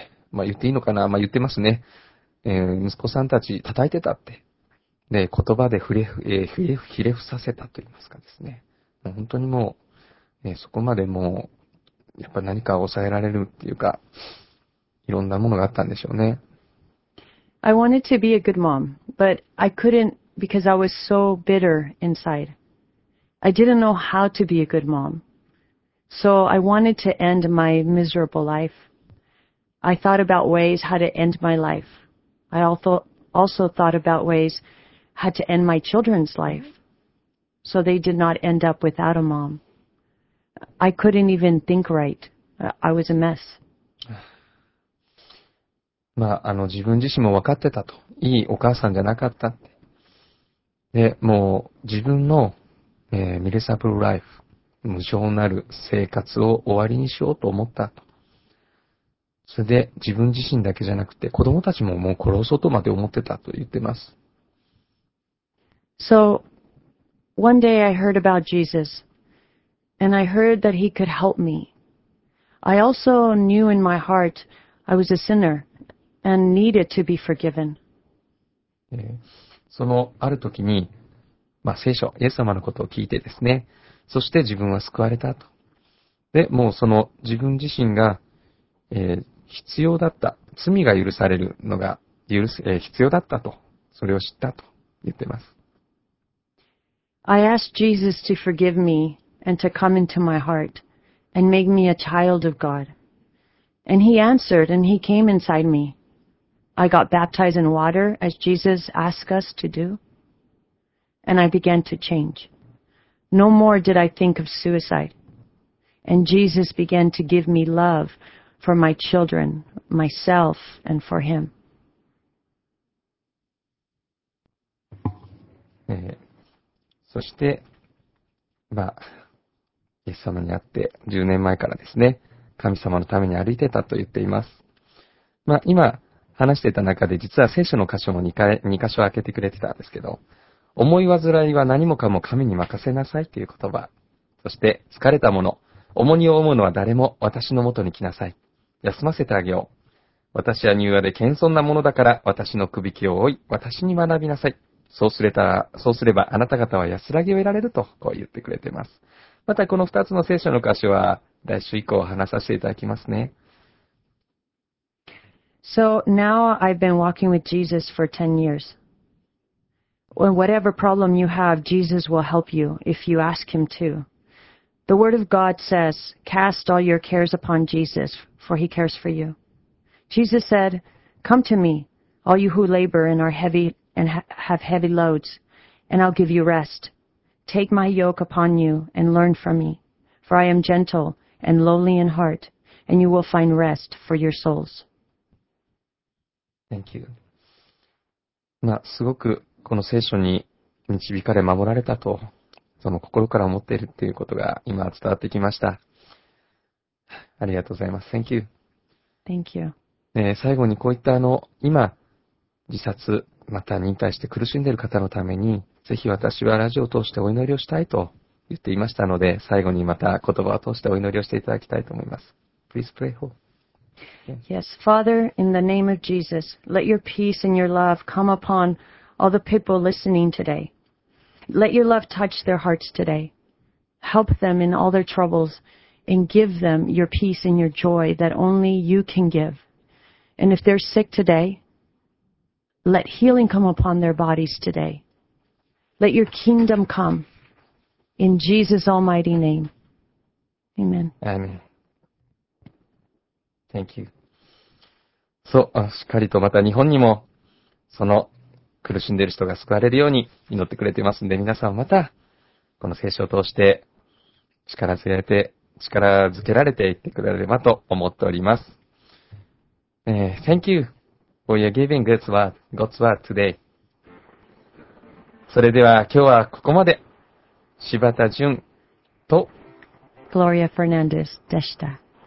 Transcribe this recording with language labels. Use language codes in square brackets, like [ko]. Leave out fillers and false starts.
[ja] まあ言っていいのかな、まあ言ってますね。息子さんたち叩いてたって。で、言葉でひれ伏させたと言いますかですね。本当にもう、そこまでもう、やっぱ何か抑えられるっていうか、いろんなものがあったんでしょうね。 [en] I wanted to be a good mom, but I couldn't. Because I was so bitter inside. I didn't know how to be a good mom. So I wanted to end my miserable life. I thought about ways how to end my life. I also thought about ways how to end my children's life. So they did not end up without a mom. I couldn't even think right. I was a mess. [ja] まあ、自分自身も分かってたと。いいお母さんじゃなかったって。で、もう自分の、ミレサブルライフ、無常なる生活を終わりにしようと思ったと。それで自分自身だけじゃなくて子供たちももう殺そうとまで思ってたと言ってます。 [en] So, one day I heard about Jesus, and I heard that he could help me. I also knew in my heart I was a sinner and needed to be forgiven. [ja] そのある時に、まあ、聖書、イエス様のことを聞いてですね、そして自分は救われたと。で、もうその自分自身が、必要だった、罪が許されるのが許す、必要だったと、それを知ったと言ってます。 [en] I asked Jesus to forgive me and to come into my heart and make me a child of God. And he answered and he came inside me. I got baptized in water as Jesus asked us to do. And I began to change. No more did I think of suicide. And Jesus began to give me love for my children, myself, and for him. [ja] そして、まあ、イエス様に会って10年前からですね、神様のために歩いてたと言っています。まあ、今話してた中で、実は聖書の箇所も2箇所開けてくれてたんですけど、思い患いは何もかも神に任せなさいという言葉、そして疲れたもの、重荷を負うのは誰も私の元に来なさい。休ませてあげよう。私は柔和で謙遜なものだから、私の首輝きを追い、私に学びなさい。そうすればあなた方は安らぎを得られるとこう言ってくれてます。またこの二つの聖書の箇所は来週以降話させていただきますね。 [en] So now I've been walking with Jesus for 10 years. Whatever problem you have, Jesus will help you if you ask him to. The word of God says, cast all your cares upon Jesus, for he cares for you. Jesus said, come to me, all you who labor and are heavy and have heavy loads, and I'll give you rest. Take my yoke upon you and learn from me, for I am gentle and lowly in heart, and you will find rest for your souls. Thank you. [ja] まあ、すごくこの聖書に導かれ守られたと、その心から思っているということが今伝わってきました。ありがとうございます。 [en] Thank you. Thank you. [ja] 最後にこういった今、自殺、また忍耐して苦しんでいる方のために、ぜひ私はラジオを通してお祈りをしたいと言っていましたので、最後にまた言葉を通してお祈りをしていただきたいと思います。 [en] Please pray for. Yes, Father, in the name of Jesus, let your peace and your love come upon all the people listening today. Let your love touch their hearts today. Help them in all their troubles and give them your peace and your joy that only you can give. And if they're sick today, let healing come upon their bodies today. Let your kingdom come. In Jesus' almighty name. Amen. Amen. Thank you. [ja] そう、しっかりとまた日本にも、その苦しんでいる人が救われるように祈ってくれていますので、皆さんまた、この聖書を通して、力づけられていってくれればと思っております。 [en] Thank you. For your giving God's word today. [ja] それでは今日はここまで。柴田純と Gloria Fernandez でした。